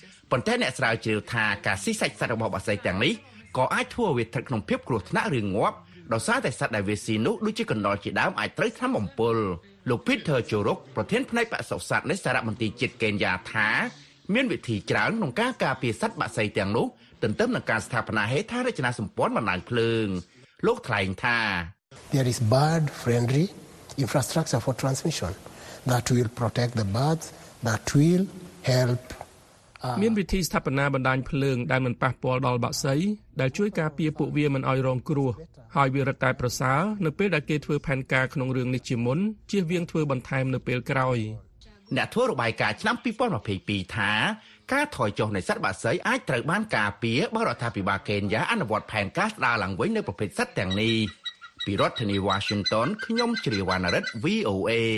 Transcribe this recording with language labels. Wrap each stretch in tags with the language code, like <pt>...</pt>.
<km>ប៉ុន្តែអ្នកស្រាវជ្រាវថាការស៊ីសាច់សត្វរបស់បក្សីទាំងនេះក៏អាចធ្វើឲ្យវាត្រូវក្នុងភាពគ្រោះថ្នាក់ឬងាប់ដោយសារតែសត្វដែលវាស៊ីនោះដូចជាកណ្ដុរជាដើមអាចត្រូវថ្នាំបំពុលលោក Peter Churuk ប្រធានផ្នែកបក្សីសត្វនៃសារមន្ទីរជាតិកេនយ៉ាថាមានវិធីច្រើនក្នុងការការពារសត្វបក្សីទាំងនោះទន្ទឹមនឹងការស្ថាបនាហេដ្ឋារចនាសម្ព័ន្ធបណ្ដាញភ្លើងលោកថ្លែងថា</km> <en>There is bird friendly infrastructure for transmission that will protect the birds that will help</en> <km>មានវិធីស្ថាបនាបណ្ដាញភ្លើងដែលមិនប៉ះពាល់ដល់បក្សីដែលជួយការពារពួកវាមិនឲ្យរងគ្រោះហើយវារត់តែប្រសើរនៅពេលដែលគេធ្វើផែនការក្នុងរឿងនេះជាមុនជៀសវាងធ្វើបន្ថែមនៅពេលក្រោយ អ្នកធ្វើរបាយការណ៍ឆ្នាំ2022ថាការថយចុះនៃសត្វបក្សីអាចត្រូវបានការពារបើរដ្ឋាភិបាលកេនយ៉ាអនុវត្តផែនការស្ដារឡើងវិញនៅប្រភេទសត្វទាំងនេះពីរដ្ឋធានី Washington ខ្ញុំជ្រាវណ្ណរិទ្ធ VOA</km>